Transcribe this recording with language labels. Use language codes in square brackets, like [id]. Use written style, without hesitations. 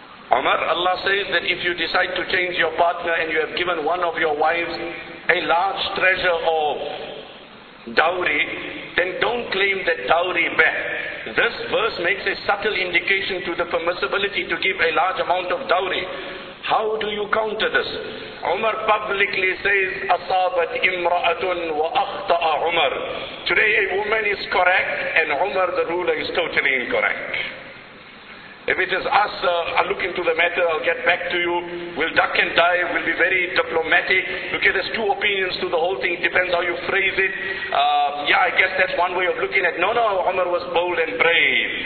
[en] Umar, Allah says that if you decide to change your partner and you have given one of your wives a large treasure or dowry, then don't claim that dowry back. This verse makes a subtle indication to the permissibility to give a large amount of dowry. How do you counter this? Umar publicly says, [ar] أصابت إمرأةٌ وأخطأ عمر. [en] Today a woman is correct and Umar the ruler is totally incorrect. If it is us, I'll look into the matter, I'll get back to you. We'll duck and dive, we'll be very diplomatic. Okay, there's two opinions to the whole thing, it depends how you phrase it. Yeah, I guess that's one way of looking at it. No, Umar was bold and brave.